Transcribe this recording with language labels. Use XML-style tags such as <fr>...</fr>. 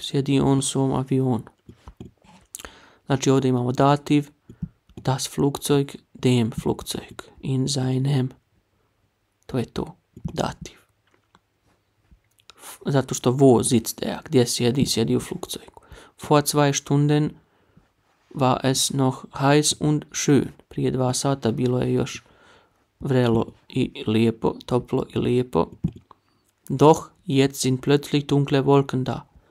<bs>Sjedi on u svom avionu. Znači, ovdje imamo dativ,</bs> <de>das Flugzeug, dem Flugzeug, in seinem.</de> <bs>To je to, dativ. Zato što</bs> <de>wo sitzt</de> <bs>gdje sjedi, sjedi u Flugzeugu.</bs> <de>Vor zwei Stunden war es noch heiß und schön.</de> <bs>Prije dva sata bilo je još vrelo i lijepo, toplo i lijepo.</bs> <de>Doch jetzt sind plötzlich dunkle Wolken da.</de>